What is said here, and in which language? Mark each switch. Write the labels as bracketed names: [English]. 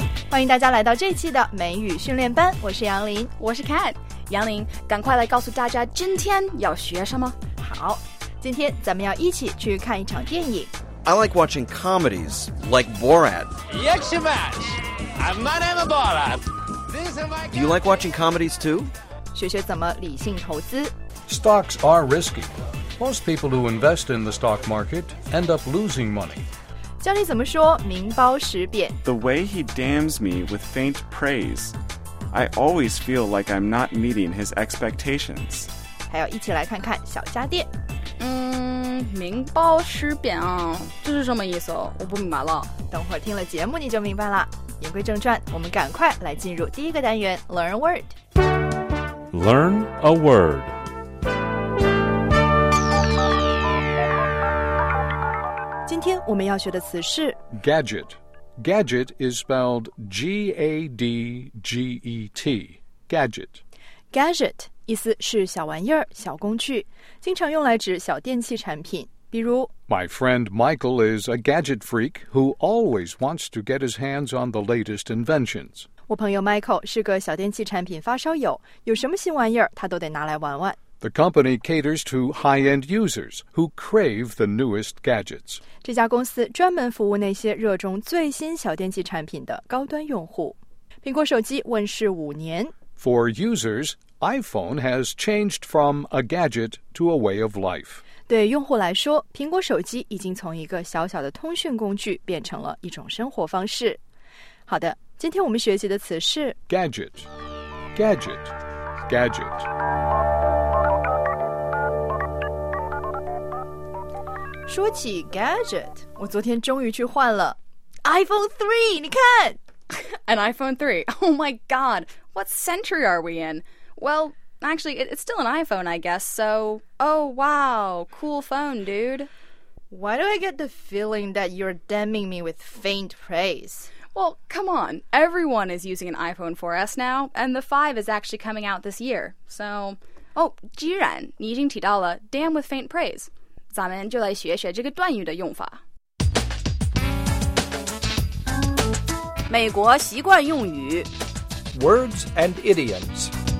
[Chinese] 欢迎大家来到这期的美语训练班，我是杨林，我是 Kat。杨林，赶快来告诉大家今天要学什么。好，今天咱们要一起去看一场电影。 [English] I like watching comedies like Borat. Yakshimash! My name is Borat. Do you like watching comedies too? [Chinese] 学学怎么理性投资。 [English] Stocks are risky. Most people who invest in the stock market end up losing money. [Chinese] 教你怎么说名包实贬。 [English] The way he damns me with faint praise. I always feel like I'm not meeting his expectations. [Chinese] 还要一起来看看小家电。名包实贬啊，这是什么意思？我不明白了。等会儿听了节目你就明白了。言归正传，我们赶快来进入第一个单元 Learn a Word。 [English] Learn a Word。 [Chinese] 今天我们要学的词是 [English] Gadget。 Gadget is spelled G-A-D-G-E-T。 Gadget。 [Chinese] Gadget意思是小玩意儿、小工具，经常用来指小电器产品，比如 [English] My friend Michael is a gadget freak who always wants to get his hands on the latest inventions. [Chinese] 我朋友 Michael 是个小电器产品发烧友，有什么新玩意儿他都得拿来玩玩。 [English] The company caters to high-end users who crave the newest gadgets. [Chinese] 这家公司专门服务那些热衷最新小电器产品的高端用户。苹果手机问世五年。 [English] For users, iPhone has changed from a gadget to a way of life. [Chinese] 对用户来说，苹果手机已经从一个小小的通讯工具变成了一种生活方式。好的，今天我们学习的词是 [English] gadget, gadget, gadget. [Chinese] 说起 gadget, 我昨天终于去换了 iPhone 3, 你看 [English] An iPhone 3, oh my god, what century are we in? Well, actually, it's still an iPhone, I guess, so... Oh, wow, cool phone, dude. Why do I get the feeling that you're damning me with faint praise? Well, come on, everyone is using an iPhone 4S now, and the 5 is actually coming out this year, so... [Chinese] Oh, 既然你已经提到了 [English] damn with faint praise, [Chinese] 咱们就来学学这个段语的用法。美国习惯用语 [English] Words and idioms.